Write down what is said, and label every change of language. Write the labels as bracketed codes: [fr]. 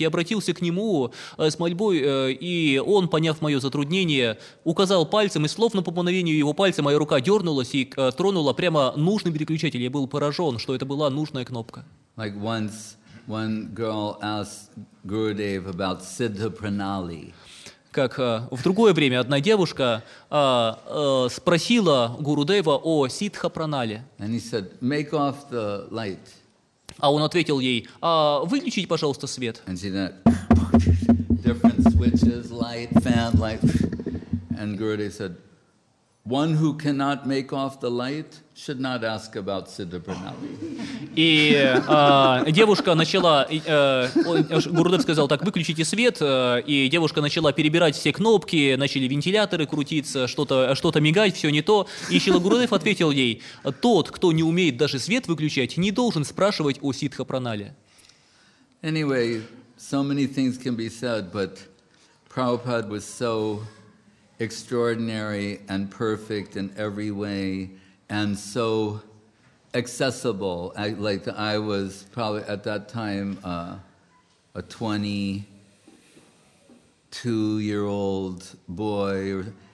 [ru] Я обратился к нему с мольбой, и он, поняв мое затруднение, указал пальцем, и словно по мановению его пальца моя рука дернулась и тронула прямо нужный переключатель. Я был поражен, что это была нужная кнопка. [en] Like once one girl asked Gurudev about Siddha Pranali. [ru] Как в другое время одна девушка спросила Гурудева о Сиддха Пранали. [en] And he said, make off the light. [ru] А он ответил ей, выключите, пожалуйста, свет. [en] And she said, different switches, light, fan, light. And Gurudev said, one who cannot make off the light should not ask about Siddha Pranali. [ru] И девушка начала, Гурудев сказал, так, выключите свет, и девушка начала перебирать все кнопки, начали вентиляторы крутиться, что-то мигать, все не то. И Шрила Гурудев ответил ей, тот, кто не умеет даже свет выключать, не должен спрашивать о Сиддха Пранали. [en] Anyway, so many things can be said, but Prabhupada was so... extraordinary and perfect in every way, and so accessible. I was probably at that time a 22-year-old boy.